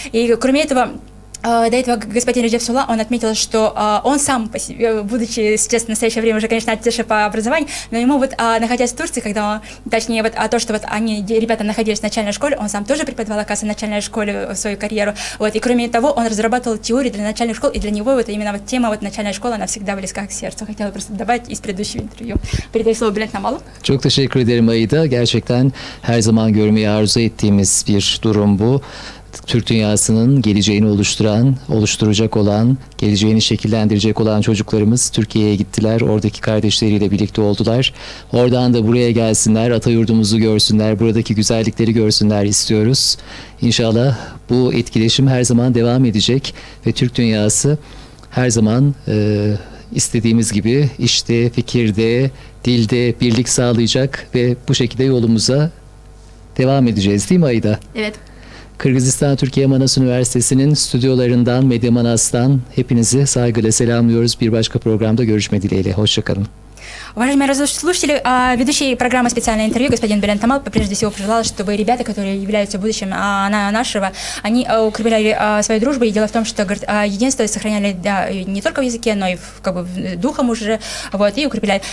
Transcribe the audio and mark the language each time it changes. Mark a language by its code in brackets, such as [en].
[ru] И кроме этого, до этого господин Реджеп Салла, он отметил, что он сам, будучи сейчас в настоящее время уже, конечно, атташе по образованию, но ему вот, находясь в Турции, когда он, точнее, вот, то, что вот они, ребята, находились в начальной школе, он сам тоже преподавал, оказывается, в начальной школе свою карьеру, вот, и кроме того, он разрабатывал теорию для начальных школ, и для него вот именно вот тема вот начальная школа, она всегда близка к сердцу. Хотела просто добавить из предыдущего интервью. Передаю слово Билет Намалу. [tr] Çok teşekkür ederim Aida. Gerçekten her zaman görmeyi arzu ettiğimiz bir durum bu. Türk dünyasının geleceğini oluşturan, oluşturacak olan, geleceğini şekillendirecek olan çocuklarımız Türkiye'ye gittiler. Oradaki kardeşleriyle birlikte oldular. Oradan da buraya gelsinler, atayurdumuzu görsünler, buradaki güzellikleri görsünler istiyoruz. İnşallah bu etkileşim her zaman devam edecek ve Türk dünyası her zaman istediğimiz gibi işte, fikirde, dilde birlik sağlayacak ve bu şekilde yolumuza devam edeceğiz değil mi Ayda? Evet. Kırgızistan Türkiye Manas Üniversitesi'nin stüdyolarından, Medya Manas'tan hepinizi saygıyla selamlıyoruz. Bir başka programda görüşme dileğiyle. Hoşçakalın. [ru] Уважаемые радиослушатели, ведущий программы «Специальное интервью» господин Берент Намал прежде всего пожелал, чтобы ребята, которые являются будущим нашего, они укрепляли свою дружбу. И дело в том, что говорит, единство сохраняли да, не только в языке, но и в, как бы, духом уже. Вот, и укрепляли.